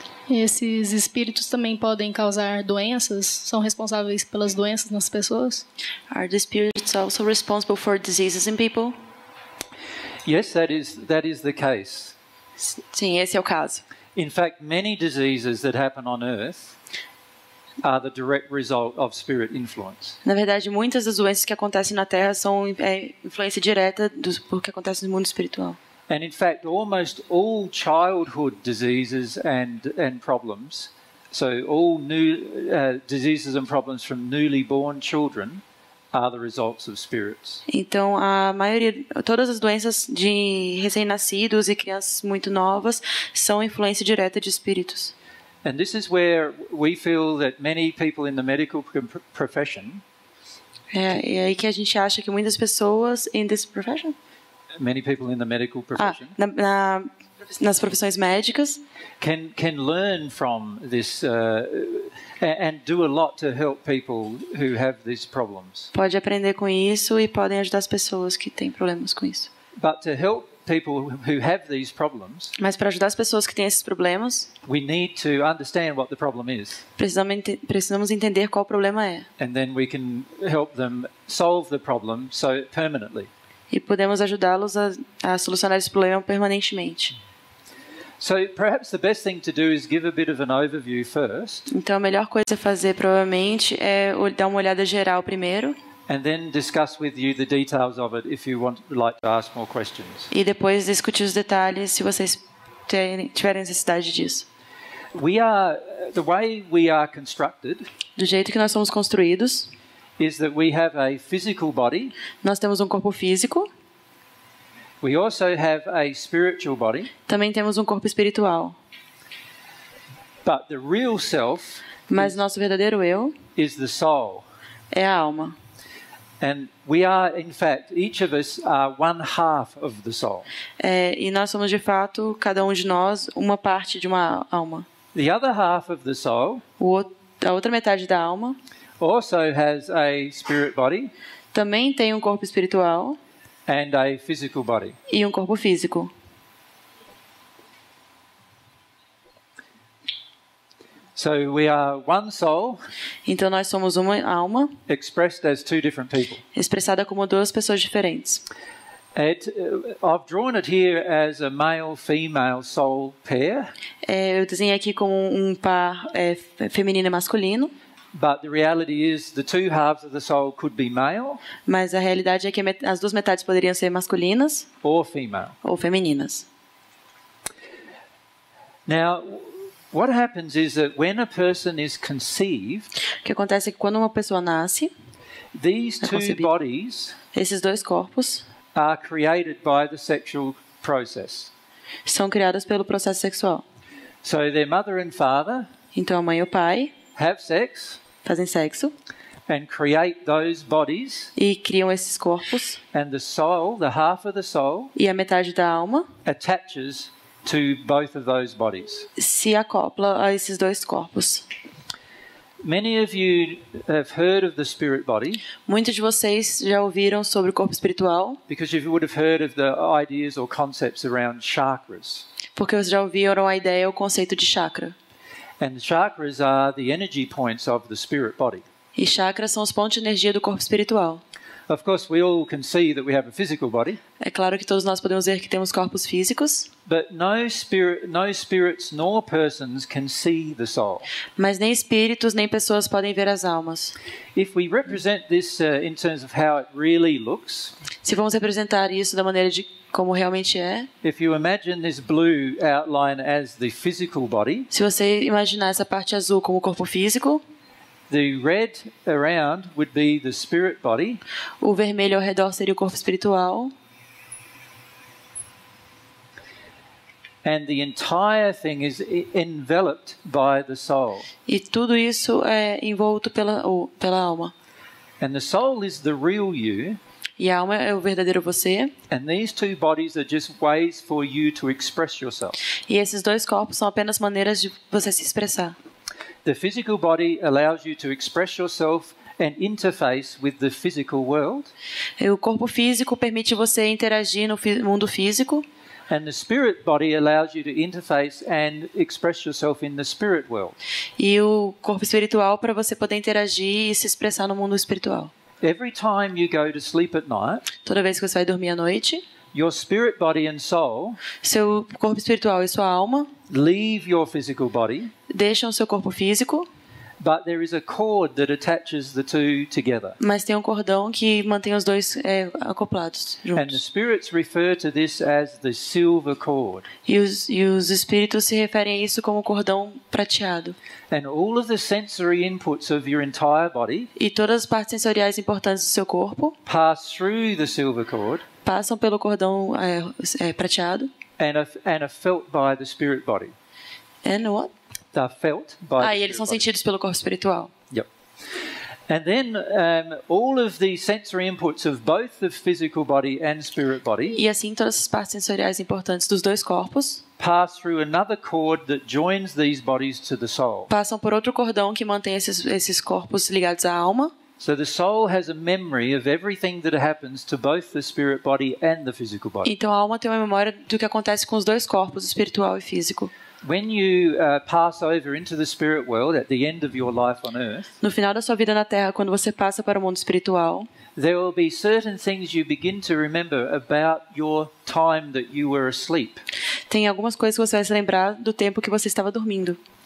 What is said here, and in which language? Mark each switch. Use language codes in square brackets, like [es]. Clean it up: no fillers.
[pt] Esses espíritos também podem causar doenças? São responsáveis pelas doenças nas pessoas? [en] Are the spirits also responsible for diseases in people? Yes, that is the case. [pt] Sim, esse é o caso. [en] In fact, many diseases that happen on earth are the direct result of spirit influence. [pt] Na verdade, muitas das doenças que acontecem na Terra são influência direta do que acontece no mundo espiritual. [en] And in fact, almost all childhood diseases and problems, so all new diseases and problems from newly born children are the results of spirits. [pt] Então, a maioria, todas as doenças de recém-nascidos e crianças muito novas são influência direta de espíritos. [en] And this is where we feel that many people in the medical profession. [pt] É aí que a gente acha que muitas pessoas [en] in this profession. Many people in the medical profession. [pt] Ah, nas profissões médicas. [en] Can learn from this and do a lot to help people who have these problems. [pt] Pode aprender com isso e podem ajudar as pessoas que têm problemas com isso. [en] But to help people who have these problems. [pt] Mas para ajudar as pessoas que têm esses problemas, [en] we need to understand what the problem is. [pt] Precisamos entender qual o problema é. [en] And then we can help them solve the problem so permanently. [pt] E podemos ajudá-los a solucionar esse problema permanentemente. [en] So perhaps the best thing to do is give a bit of an overview first. [pt] Então a melhor coisa a fazer provavelmente é dar uma olhada geral primeiro. [en] And then discuss with you the details of it if you want like to ask more questions. [pt] E depois discutir os detalhes se vocês tiverem necessidade disso. [en] The way we are constructed. [pt] Do jeito que nós somos construídos. [en] Is that we have a physical body. [pt] Nós temos corpo físico. [en] We also have a spiritual body. [pt] Também temos corpo espiritual. [en] But the real self. [pt] Mas nosso verdadeiro eu. [en] Is the soul. [pt] é a alma. [en] And we are, in fact, each of us are one half of the soul. [pt] É, e nós somos de fato cada um de nós uma parte de uma alma. [en] The other half of the soul, [pt] a outra metade da alma, [en] also has a spirit body, [pt] também tem um corpo espiritual, [en] and a physical body, [pt] e um corpo físico. [en] So we are one soul. [pt] Então nós somos uma alma. [en] Expressed as two different people. [pt] Expressada como duas pessoas diferentes. [en] I've drawn it here as a male-female soul pair. [pt] Eu desenhei aqui como um par feminino e masculino. [en] But the reality is the two halves of the soul could be male. [pt] Mas a realidade é que as duas metades poderiam ser masculinas. [en] Or female. [pt] Ou femininas. [en] Now, what happens is that when a person is conceived, [pt] o que acontece é que quando uma pessoa nasce, [en] these two bodies, [pt] esses dois corpos, [en] are created by the sexual process. [pt] São criados pelo processo sexual. [en] So their mother and father, [pt] então a mãe e o pai, [en] have sex, [pt] fazem sexo, [en] and create those bodies, [pt] e criam esses corpos, [en] and the soul, the half of the soul, [pt] e a metade da alma, [en] attaches to both of those bodies. [pt] Se acopla a esses dois corpos. [en] Many of you have heard of the spirit body. [pt] Muitos de vocês já ouviram sobre o corpo espiritual. [en] Because you would have heard of the ideas or concepts around chakras. [pt] Porque vocês já ouviram a ideia ou conceito de chakra. [en] And chakras are the energy points of the spirit body. [pt] E chakras são os pontos de energia do corpo espiritual. [en] Of course, we all can see that we have a physical body. [pt] É claro que todos nós podemos ver que temos corpos físicos. [en] But no spirits nor persons can see the soul. [pt] Mas nem espíritos nem pessoas podem ver as almas. [en] If we represent this in terms of how it really looks. [pt] Se vamos representar isso da maneira de como realmente é. [en] If you imagine this blue outline as the physical body. [pt] Se você imaginar essa parte azul como o corpo físico. [en] The red around would be the spirit body. [pt] O vermelho ao redor seria o corpo espiritual. [en] And the entire thing is enveloped by the soul. [pt] E tudo isso é envolto pela alma. [en] And the soul is the real you. [pt] E a alma é o verdadeiro você. [en] And these two bodies are just ways for you to express yourself. [pt] E esses dois corpos são apenas maneiras de você se expressar. [en] The physical body allows you to express yourself and interface with the physical world. [pt] O corpo físico permite você interagir no mundo físico. [en] And the spirit body allows you to interface and express yourself in the spirit world. [pt] E o corpo espiritual para você poder interagir e se expressar no mundo espiritual. [en] Every time you go to sleep at night, [pt] toda vez que você vai dormir à noite, [en] your spirit body and soul, [pt] seu corpo espiritual e sua alma, [en] leave your physical body, [pt] deixam seu corpo físico, [en] but there is a cord that attaches the two together. [pt] Mas tem um cordão que mantém os dois acoplados juntos. [en] And the spirits refer to this as the silver cord. [pt] E os espíritos se referem a isso como cordão prateado. [en] And all of the sensory inputs of your entire body, [pt] e todas as partes sensoriais importantes do seu corpo, [en] pass through the silver cord, [pt] passam pelo cordão prateado. [en] And are felt by the spirit body. And what? They're felt by [pt] e eles são sentidos [en] body. [pt] Pelo corpo espiritual. [en] Yep. And then all of the sensory inputs of both the physical body and spirit body. [pt] E assim todas as partes sensoriais importantes dos dois corpos. [en] Pass through another cord that joins these bodies to the soul. [pt] Passam por outro cordão que mantém esses corpos ligados à alma. [en] So the soul has a memory of everything that happens to both the spirit body and the physical body. [pt] Então a alma tem uma memória do que acontece com os dois corpos, espiritual e físico. [en] When you pass over into the spirit world at the end of your life on earth, [pt] no final da sua vida na Terra, quando você passa para o mundo espiritual, [en] there will be certain things you begin to remember about your time that you were asleep. [pt] Tem algumas coisas que você vai se lembrar do tempo que você estava dormindo.